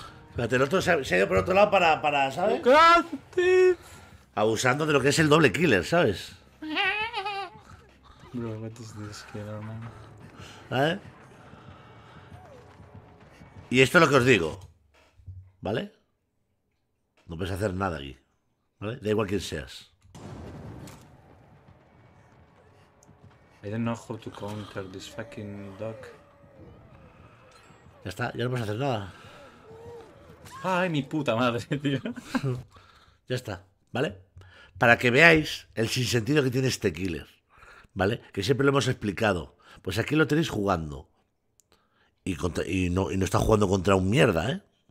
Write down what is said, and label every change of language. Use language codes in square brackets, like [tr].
[es] Espérate, el otro se ha ido por otro lado para, Oh, ¿sabes? [en] God, thief. [es] Abusando de lo que es el doble killer, ¿sabes? [en] Bro, what is this killer, man? [es] ¿Vale? Y esto es lo que os digo, ¿vale? No puedes hacer nada aquí, ¿vale? Da igual quién seas. [en] I don't know how to counter this fucking duck. [es] Está, ya no puedes hacer nada. Ay, mi puta madre, tío. Ya está, ¿vale? Para que veáis el sinsentido que tiene este killer, ¿vale? Que siempre lo hemos explicado. Pues aquí lo tenéis jugando. Y no está jugando contra un mierda, ¿eh?